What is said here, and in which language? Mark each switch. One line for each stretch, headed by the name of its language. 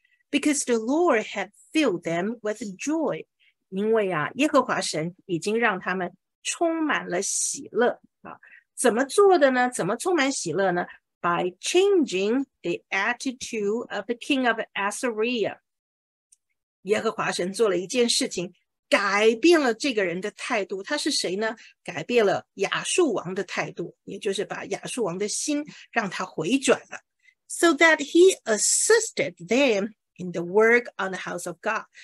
English: Because the Lord had filled them with joy.
Chinese: 因为啊，耶和华神已经让他们充满了喜乐、啊、怎么做的呢？怎么充满喜乐呢 ？
English: By changing the attitude of the king of Assyria，
Chinese: 耶和华神做了一件事情，改变了这个人的态度。他是谁呢？改变了亚述王的态度，也就是把亚述王的心让他回转了。
English: So that he assisted them in the work on the house of God。